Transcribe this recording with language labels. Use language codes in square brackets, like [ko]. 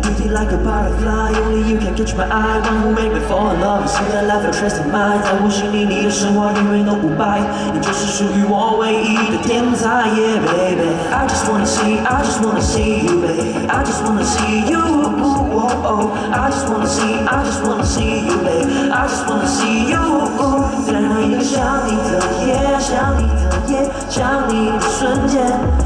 [en] Like a butterfly, only you can catch my eye. One who make me fall in love, see the life I trust in mine. [zh] 在我心里，你的神话永远都不败，你就是属于我唯一的天才 ， [en] Yeah baby. I just wanna see, I just wanna see you, baby. I just wanna see you, ooh, oh, oh. I just wanna see, I just wanna see you, baby. I just wanna see you, ooh. [zh] 在那一个想你的夜，想你的夜，想你的瞬间。